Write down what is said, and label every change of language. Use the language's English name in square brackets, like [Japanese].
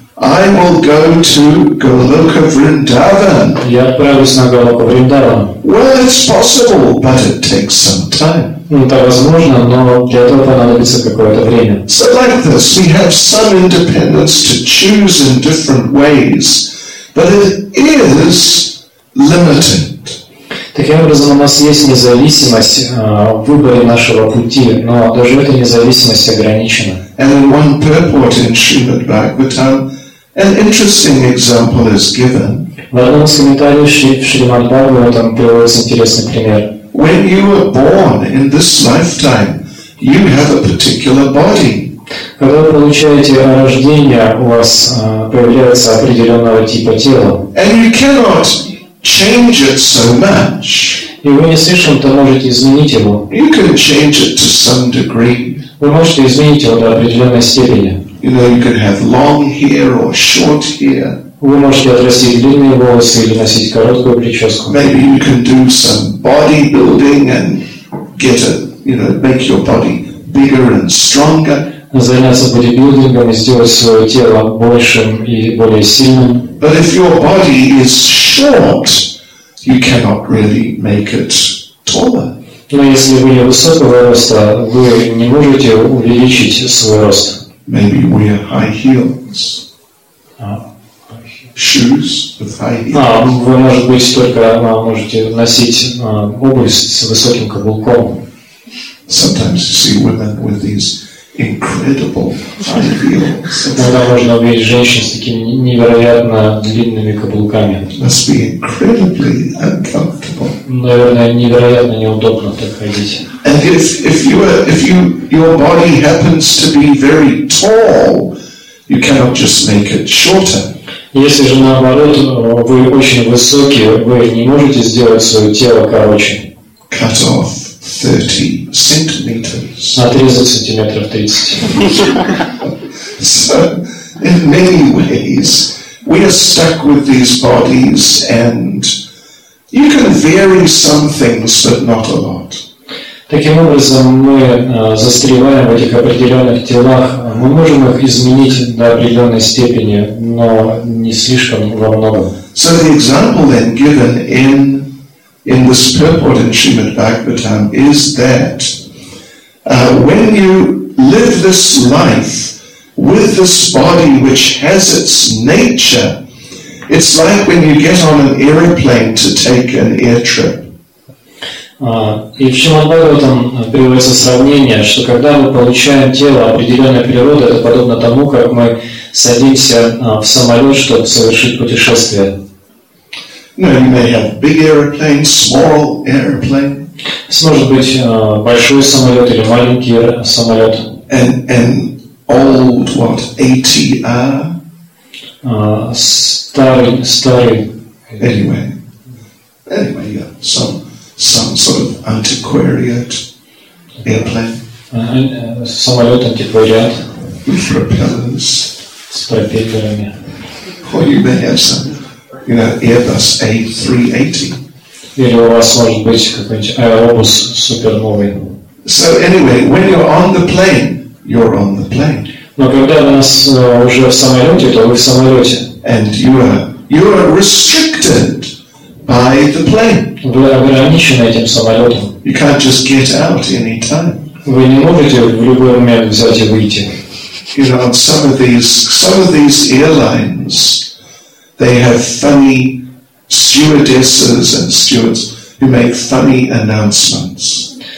[English] I will go to Goloka Vrindavan. [Russian] Я отправлюсь на Голоку Вриндаван. [English] Well, it's possible, but it takes some time. [Russian] Ну, это возможно, но для этого понадобится какое-то время. [English] So like this, we have some independence to choose in different ways, but it is limited. [Russian] Таким образом, у нас есть независимость в выборе нашего пути, но даже эта независимость ограничена. [English] And in one purport in Srimad Bhagavatam, an interesting example is given. [Russian] В одном из комментариев в Шримад Бхагаватам приводится интересный пример. [English] When you were born in this lifetime, you have a particular body. [Russian] Когда вы получаете рождение, у вас появляется определенного типа тела. [English] And you cannot change it so much. [Russian] И вы не слишком-то можете изменить его. [English] You can change it to some degree. [Russian] Вы можете изменить его до определенной степени. [English] You know, you can have long hair or short hair. [Russian] Вы можете отрастить длинные волосы или носить короткую прическу. [English] Maybe you can do some bodybuilding and get a, you know, make your body bigger and stronger. [Russian] Заняться бодибилдингом и сделать свое тело большим и более сильным. [English] But if your body is short, you cannot really make it taller. [Russian] Но если вы не высокого роста, вы не можете увеличить свой рост. [English] Maybe wear high heels. Shoes with high heels. [Russian] Вы, может быть, только можете носить обувь с высоким каблуком. [English] Sometimes you see women with these incredible high heels. [Russian] Иногда можно увидеть женщин с такими невероятно длинными каблуками. [English] Must be incredibly uncomfortable. [Russian] Наверное, невероятно неудобно так ходить. [English] And if your body happens to be very tall, you cannot just make it shorter. [Russian] Если же наоборот, вы очень высокие, вы не можете сделать свое тело короче. [English] Cut off 30 centimeters. [Russian] Отрезать сантиметров 30. [English] So, in many ways, we are stuck with these bodies, and you can vary some things, but not a lot. [Russian] Таким образом, мы застреваем в этих определенных телах. Мы можем их изменить до определенной степени, но не слишком во многом. [English] So the example then given in this purport in Srimad Bhagavatam is that when you live this life with this body which has its nature, it's like when you get on an airplane to take an air trip. [Russian] И в Srimad Bhagavatam приводится сравнение, что когда мы получаем тело определенной природы, это подобно тому, как мы садимся в самолет, чтобы совершить путешествие. [English] No, you may have big airplane, small airplane. [Russian] Может быть, большой самолет или маленький самолет. [English] And old, what, ATR? [Russian] Старый [English] Anyway, yeah, some sort of antiquariate airplane. [Russian] Самолет антиквариат. [English] With propellers. [Russian] С пропеллерами. [English] Or you may have some, you know, Airbus A380. [Russian] Или у вас может быть какой-нибудь Аэробус суперновый. [English] So anyway, when you're on the plane, you're on the plane. [Russian] Но когда у нас уже в самолете, то вы в самолете. [English] And you are restricted by the plane. [Russian] Вы ограничены этим самолетом. [English] You can't just get out any time. [Russian] Вы не можете в любой момент взять и выйти. [English] You know, some of these airlines, they have funny stewardesses and stewards who make funny announcements.